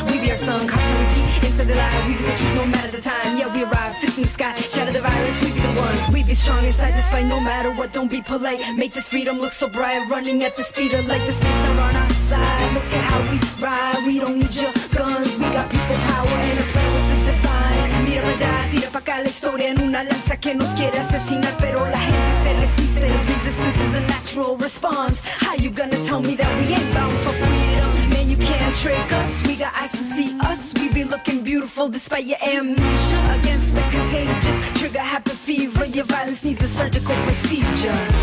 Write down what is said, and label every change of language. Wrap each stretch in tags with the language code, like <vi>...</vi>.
<en>We be our sun, cops and repeat. The lie. We be the truth no matter the time. Yeah, we arrive, fist in the sky, shatter the virus. We be the ones, we be strong inside this fight. No matter what, don't be polite. Make this freedom look so bright. Running at the speed of light. The saints are on our side. Look at how we ride. We don't need your guns. We got people power and a plan with the divine.</en> <es>Mira allá, tira pa' acá la historia en una lanza que nos quiere asesinar. Pero la gente se resiste.</es> <en>Resistance is a natural response. How you gonna tell me that we ain't bound for freedom? Man, you can't trick us. We got eyes to see us. We be looking beautiful despite your amnesia. Against the contagious, trigger happy fever. Your violence needs a surgical procedure.</en>